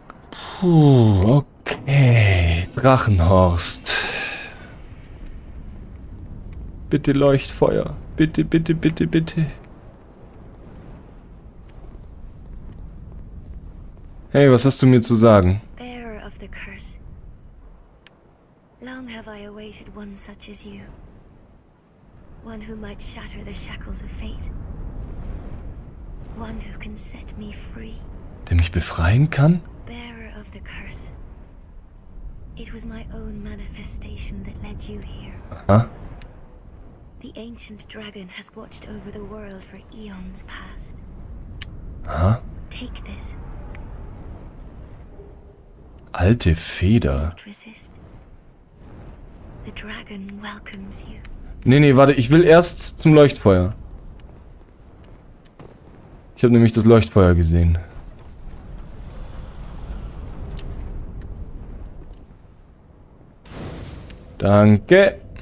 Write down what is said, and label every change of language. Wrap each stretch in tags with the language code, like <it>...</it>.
<de>Puh, okay. Drachenhorst. Bitte Leuchtfeuer. Bitte, bitte, bitte, bitte. Hey, was hast du mir zu sagen?</de> <en>Bearer of the curse. Long have I awaited one such as you. One who might shatter the shackles of fate. One who can set me free.</en> <de>Der mich befreien kann?</de> <en>Bearer of the curse. It was my own manifestation that led you here. Aha. The ancient dragon has watched over the world for eons past. Huh? Take this.</en> <de>Alte Feder.</de> <en>Resist. The dragon welcomes you.</en> <de>Nee, nee, warte, ich will erst zum Leuchtfeuer. Ich habe nämlich das Leuchtfeuer gesehen. Danke.</de>